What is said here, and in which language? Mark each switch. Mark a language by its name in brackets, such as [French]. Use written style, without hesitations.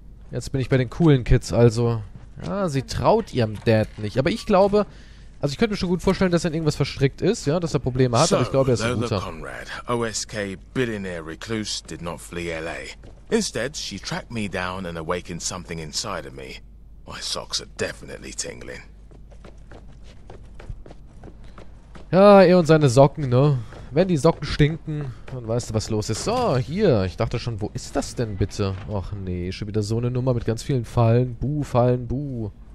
[German] Jetzt bin ich bei den coolen Kids, also. Ja, sie traut ihrem Dad nicht. Aber ich glaube, also ich könnte mir schon gut vorstellen, dass er in irgendwas verstrickt ist, ja, dass er Probleme hat, so, aber ich glaube, er ist ein guter. [English] Lola Conrad, OSK billionaire recluse, did not flee LA. Instead, she tracked me down and awakened something inside of me. My socks are definitely tingling. [German] Ja, er und seine Socken, ne? Wenn die Socken stinken, dann weißt du, was los ist. So, hier. Ich dachte schon, wo ist das denn bitte? Och nee, schon wieder so eine Nummer mit ganz vielen Fallen. Buh, Fallen, buh.